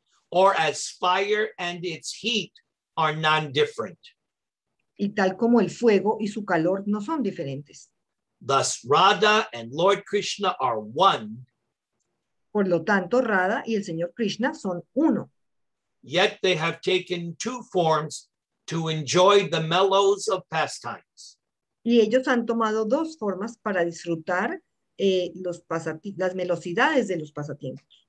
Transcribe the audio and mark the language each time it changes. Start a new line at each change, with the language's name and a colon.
English: Or as fire and its heat are non-different.
Spanish: Y tal como el fuego y su calor no son diferentes.
English: Thus, Radha and Lord Krishna are one.
Spanish: Por lo tanto, Radha y el Señor Krishna son uno.
English: Yet they have taken two forms to enjoy the mellows of pastimes.
Spanish: Y ellos han tomado dos formas para disfrutar las melosidades de los pasatiempos.